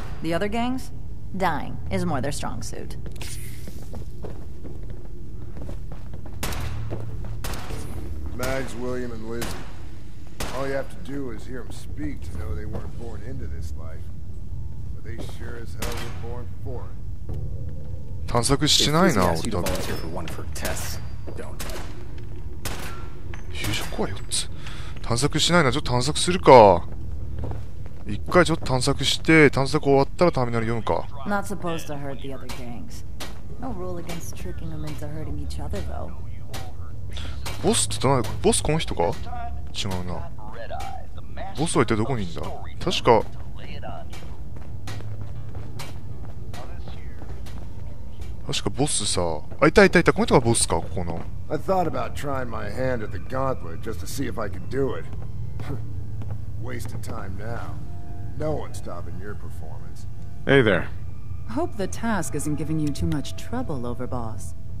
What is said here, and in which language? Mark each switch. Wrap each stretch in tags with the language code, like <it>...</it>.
<en>The other gangs, dying is more their strong suit. Mags, William, and Lizzie. All you have to do is hear them speak to know they weren't born into this life. But they sure as hell were born for it.</en> <ja>探索してないな、俺たち。よいしょ、怖いよ、こいつ。探索しないな、ちょっと探索するか。一回ちょっと探索して、探索終わったらターミナル読むか。</ja> <en>Not supposed to hurt the other gangs. No rule against tricking them into hurting each other, though.</en> <ja>ボスって誰？ボスこの人か？違うな。ボスは一体どこにいるんだ。確か確かボスさあ、いたいたいた、この人がボスか。ここの</ja> <en>I thought about trying my hand at the gauntlet just to see if I could do it. Waste of time now. No one's stopping your performance. Hey there. Hope the task isn't giving you too much trouble, Overboss.</en>